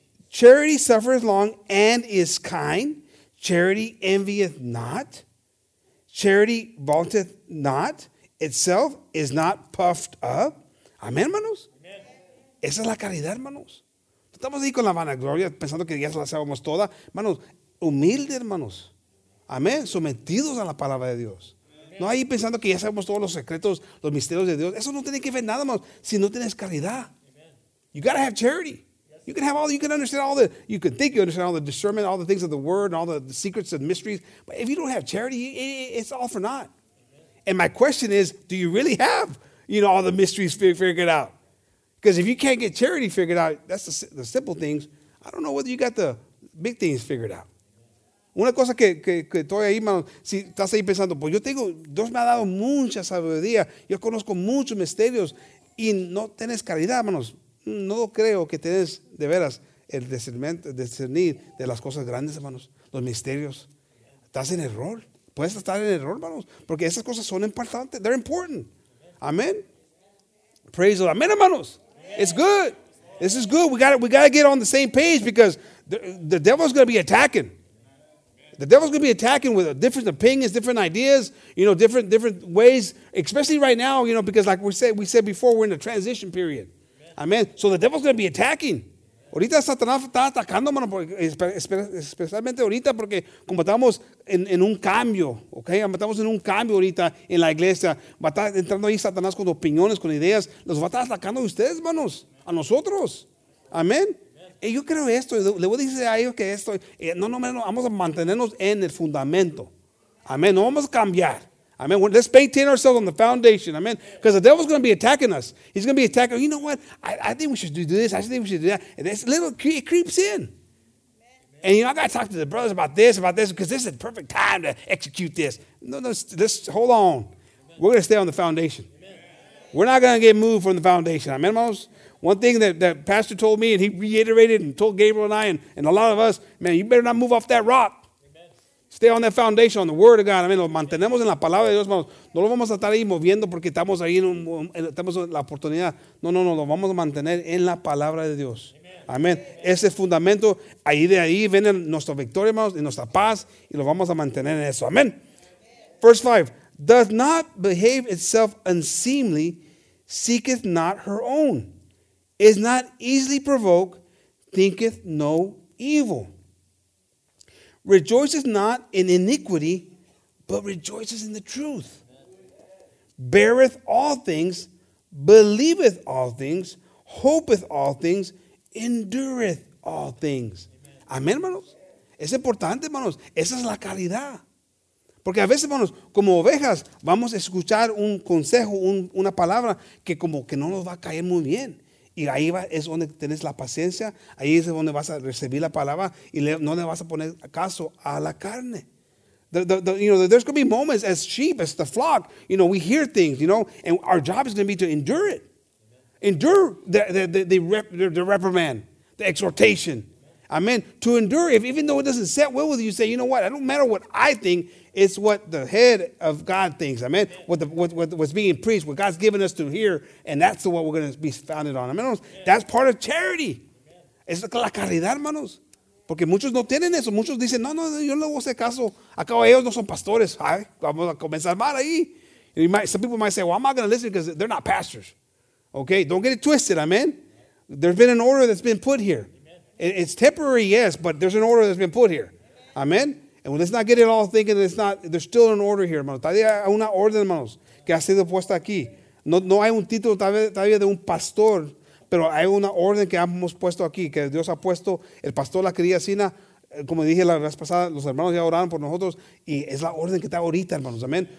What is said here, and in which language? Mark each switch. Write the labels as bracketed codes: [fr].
[en] Charity suffereth long and is kind. Charity envieth not. Charity vaunteth not itself, is not puffed up. [es] Amen, hermanos? Amen. Esa es la caridad, hermanos. Estamos ahí con la vanagloria, pensando que ya la sabemos toda. Hermanos, humildes, hermanos. Amén. Sometidos a la palabra de Dios. No ahí pensando que ya sabemos todos los secretos, los misterios de Dios. Eso no tiene que ver nada, hermanos, si no tienes caridad. [en] You got to have charity. You can have all, you can understand all the, you can think you understand all the discernment, all the things of the word, and all the secrets and mysteries. But if you don't have charity, it's all for naught. And my question is, do you really have, you know, all the mysteries figured out? Because if you can't get charity figured out, that's the simple things. I don't know whether you got the big things figured out. [es] Una cosa que estoy ahí, hermano, si estás ahí pensando, pues yo tengo, Dios me ha dado mucha sabiduría. Yo conozco muchos misterios. Y no tienes caridad, hermanos. No creo que tienes de veras el discernir de las cosas grandes, hermanos. Los misterios. Estás en error. Puedes estar en error, hermanos. Porque esas cosas son importantes. [en] They're important. Amén. Praise the Lord. Amen, hermanos. It's good. This is good. We got to get on the same page because the devil's going to be attacking. The devil's going to be attacking with different opinions, different ideas, you know, different ways, especially right now, you know, because like we said before, we're in a transition period. Amen. So the devil's going to be attacking. [es] Ahorita Satanás está atacando, hermano, especialmente ahorita, porque como estamos en un cambio, ¿ok? Estamos en un cambio ahorita en la iglesia. Va a estar entrando ahí Satanás con opiniones, con ideas. Los va a estar atacando a ustedes, hermanos, a nosotros. Amén. Y yo creo esto, le voy a decir a ellos que esto, no, vamos a mantenernos en el fundamento. [en] Amén, [es] no vamos a cambiar. [en] Amén, let's maintain ourselves on the foundation. Amén, because the devil's going to be attacking us. He's going to be attacking, you know what, I think we should do this, I think we should do that. And this little, it creeps in. Amen. And you know, I got to talk to the brothers about this, because this is the perfect time to execute this. No, let's hold on. Amen. We're going to stay on the foundation. Amen. We're not going to get moved from the foundation. Amén, hermanos. One thing that pastor told me, and he reiterated and told Gabriel and I and a lot of us, man, you better not move off that rock. Amen. Stay on that foundation, on the word of God. [es] I mean, lo mantenemos en la palabra de Dios. No lo vamos a estar ahí moviendo porque estamos ahí, estamos en la oportunidad. No, lo vamos a mantener en la palabra de Dios. Amén. Ese fundamento, ahí de ahí viene nuestra victoria, hermanos, y nuestra paz, y lo vamos a mantener en eso. [en] Amén. Verse 5. Does not behave itself unseemly, seeketh not her own. Is not easily provoked, thinketh no evil. Rejoices not in iniquity, but rejoices in the truth. Beareth all things, believeth all things, hopeth all things, endureth all things. Amén, hermanos. [es] Es importante, hermanos. Esa es la calidad. Porque a veces, hermanos, como ovejas, vamos a escuchar un consejo, una palabra que como que no nos va a caer muy bien. Y ahí es donde tienes la paciencia, ahí es donde vas a recibir la palabra y no le vas a poner caso a la carne. [en] There's going to be moments as sheep, as the flock, you know, we hear things, you know, and our job is going to be to endure it. Endure the reprimand, the exhortation. Amen. To endure, even though it doesn't set well with you, say, you know what, I don't matter what I think, it's what the head of God thinks. Amen. What's being preached, what God's given us to hear, and that's what we're going to be founded on. Amen. That's part of charity. [es] Es la caridad, hermanos. Porque muchos no tienen eso. Muchos dicen, no, yo no le voy a hacer caso. Acabo, ellos no son pastores. Ay, vamos a comenzar mal ahí. [en] Some people might say, well, I'm not going to listen because they're not pastors. Okay, don't get it twisted. Amen. There's been an order that's been put here. It's temporary, yes, but there's an order that's been put here. Amen? And let's not get it all thinking that it's not, there's still an order here, hermanos. [es] Todavía hay una orden, hermanos, que ha sido puesta aquí. No hay un título todavía de un pastor, pero hay una orden que hemos puesto aquí, que Dios ha puesto, el pastor la quería así, como dije la vez pasada, los hermanos ya oraron por nosotros, y es la orden que está ahorita, hermanos. Amén.